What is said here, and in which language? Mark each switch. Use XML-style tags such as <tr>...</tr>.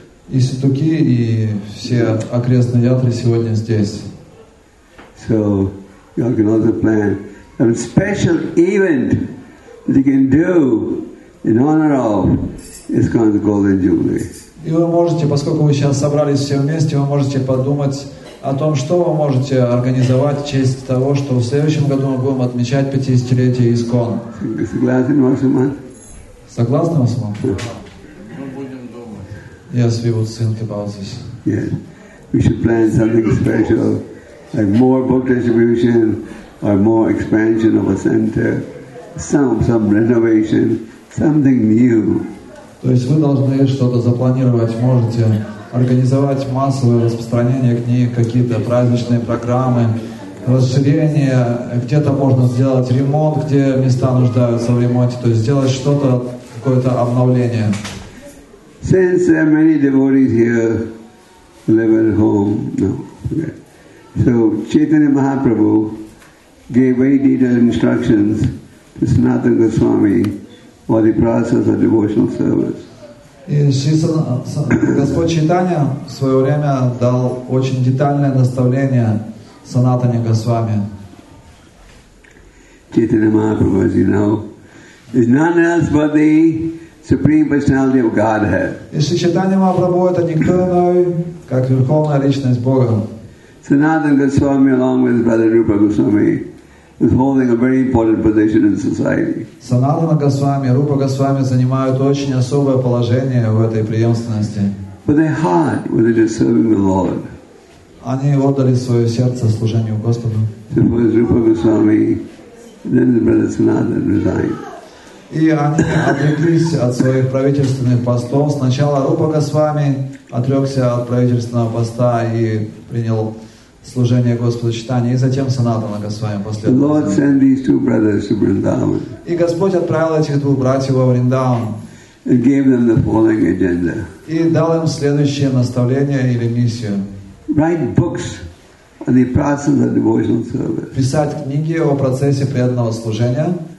<ru>И Сутуки, и все окрестные ятры сегодня здесь.</ru> <en>So you can also plan a special event that you can do in honor of ISKCON's Golden Jubilee.</en> <ru>И вы можете, поскольку вы сейчас собрались все вместе, вы можете подумать о том, что вы можете организовать в честь того, что в следующем году мы будем отмечать 50-летие ИСКОН. Согласен, Масуман? Согласны, Масуман? Мы будем думать.</ru> <en>Yes, we would think about this. Yes. We should plan something special, like more book distribution, or more expansion of a center, some renovation, something new.</en> <ru>То есть вы должны что-то запланировать, можете организовать массовое распространение книг, какие-то праздничные программы, расширение, где-то можно сделать ремонт, где места нуждаются в ремонте, то есть сделать что-то, какое-то обновление.</ru> <en>Since there are many devotees here who live at home, no, okay. So Chaitanya Mahaprabhu gave very detailed instructions to Sanatana Goswami for the process of devotional service.</en> <ru>И Господь Чайтанья в свое время дал очень детальное наставление Санатане Госвами.</ru> <en>Чайтанья Махапрабху, as you know, is none else but the Supreme Personality of Godhead.</en> <ru>И Чайтанья Махапрабху это никто иной, как Верховная Личность Бога.</ru> <en>Санатан Госвами, along with his brother Рупа Госвами, is holding a very important position in society.</en> <ru>Санатана Госвами, Рупа Госвами занимают очень особое положение в этой преемственности.</ru> <en>But their heart was into serving the Lord.</en> <ru>Они отдали свое сердце служению Господу.</ru> <en>So first Рупа Госвами, then the brother Санатана resigned.</en> <ru>И они отреклись от своих правительственных постов. Сначала Рупа Госвами отрекся от правительственного поста и принял служение Господу Чайтанье, и затем Санатана Госвами после этого.</ru> <en>Lord sent these two brothers to Vrindavan.</en> <ru>И Господь отправил этих двух братьев во Вриндаван.</ru> <en>And gave them the following agenda.</en> <ru>И дал им следующее наставление или миссию.</ru> <en>Write books on the process of devotional service.</en> <ru>Писать книги о процессе преданного служения.</ru>